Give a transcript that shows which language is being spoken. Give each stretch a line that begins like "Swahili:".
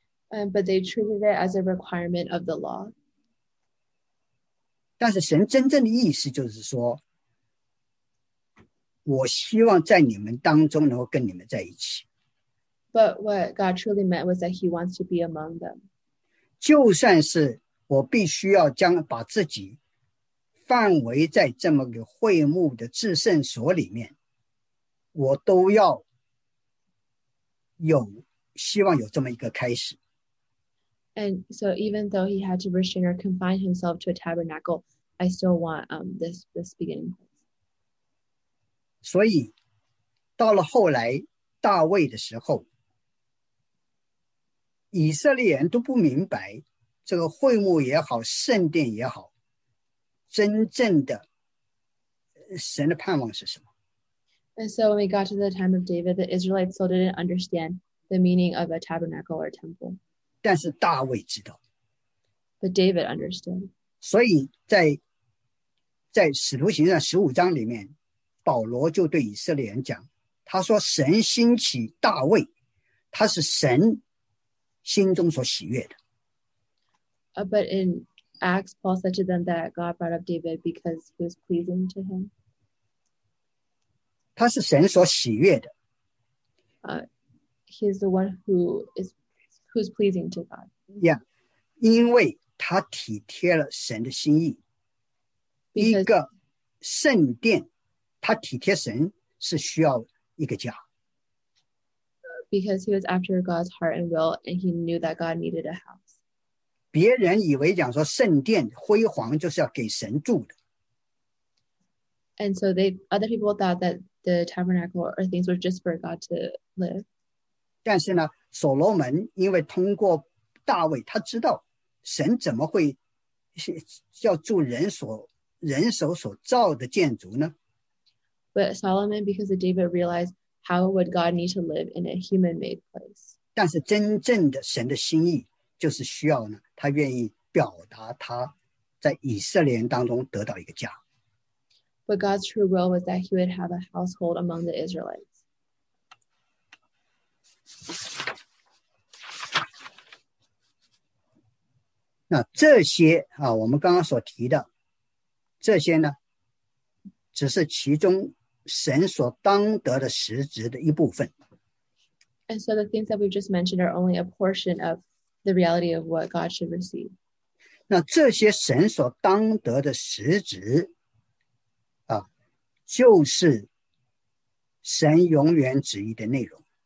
English: But they treated it as a requirement of the law.
Chinese: 但是神真正的意思就是说，我希望在你们当中能够跟你们在一起。
English: But what God truly meant was that he wants to be among them.
Chinese: 就算是我必须要将把自己范围在这么个会幕的至圣所里面，我都要有希望有这么一个开始。
English: And so even though he had to restrain or confine himself to a tabernacle, I still want this beginning place.
Chinese: 所以到了后来大卫的时候，以色列人都不明白这个会幕也好，圣殿也好，真正的神的盼望是什么。
English: And so when we got to the time of David, the Israelites still didn't understand the meaning of a tabernacle or a temple.
Chinese: 但是大卫知道。
English: But David understood.
Chinese: 所以在使徒行传十五章里面，保罗就对以色列人讲，他说神兴起大卫，他是神心中所喜悦的。
English: But in Acts, Paul said to them that God brought up David because he was pleasing to him.
Chinese: 他是神所喜悦的。
English: He is the one who's pleasing to God.
Chinese: Yeah, 因为他体贴了神的心意。
English: Because、
Chinese: 一个圣殿，他体贴神是需要一个家。
English: Because he was after God's heart and will, and he knew that God needed a house.
Chinese: 别人以为讲说圣殿辉煌就是要给神住的。
English: And so other people thought that the tabernacle or things were just for God to live.
Chinese: 但是呢，所罗门因为通过大卫，他知道神怎么会要住人手所造的建筑呢？
English: But Solomon, because of David, realized how would God need to live in a human-made place.
Chinese: 但是真正的神的心意就是需要呢，他愿意表达他在以色列人当中得到一个家。
English: But God's true will was that he would have a household among the Israelites.
Chinese: 那这些啊，我们刚刚所提的这些呢，只是其中神所当得的实质的一部分。
English: And so the things that we've just mentioned are only a portion of. The reality of what God should receive.
Chinese: 那这些神所当得的实质、啊、就是神永远旨意的内容。